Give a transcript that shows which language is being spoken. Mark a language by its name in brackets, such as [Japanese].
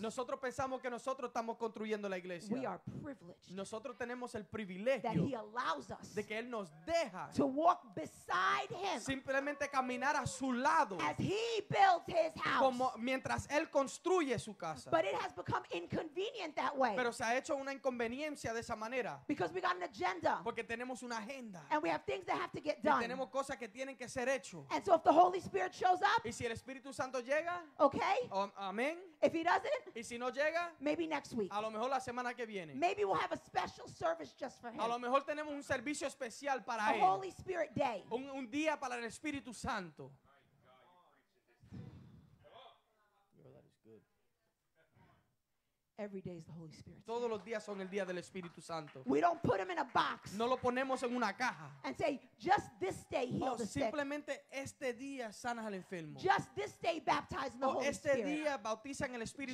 [Spanish] Nosotros pensamos que nosotros estamos construyendo la iglesia. [English] We are privileged. [Spanish] Nosotros tenemos el privilegio [English] that he allows us [Spanish] de que él nos deja [English] to walk beside him. [Spanish] Simplemente caminar a su lado. [English] As he builds his house. [Spanish] Como mientras él construye su casa. [English] But it has become inconvenient that way. [Spanish] Pero se ha hecho una inconveniencia de esa manera. [English] Because we got an agenda. [Spanish] Porque tenemos una agenda. [English] And we have things that have to get done. [Spanish] Y tenemos cosas que tienen que ser hecho. [English] And so if the Holy Spirit shows up, [Spanish] y si el Espíritu Santo llega, [English] okay, amen. If he doesn't, [Spanish] y si no llega, [English] maybe next week. [Spanish] A lo mejor la semana que viene. [English] Maybe we'll have a special service just for him. [Spanish] A lo mejor tenemos un servicio especial para a él. [English] Holy Spirit day. [Spanish] Un día para el Espíritu Santo. [English] Every day is the Holy Spirit. [Spanish] Todos los días son el día del Espíritu Santo. [English] We don't put him in a box. [Spanish] No lo ponemos en una caja. [English] And say, just this day heal the sick. [Spanish] Simplemente este día sanas al enfermo. [English] Just this day baptize the Holy Spirit. [Spanish] Este día bautizan el Espíritu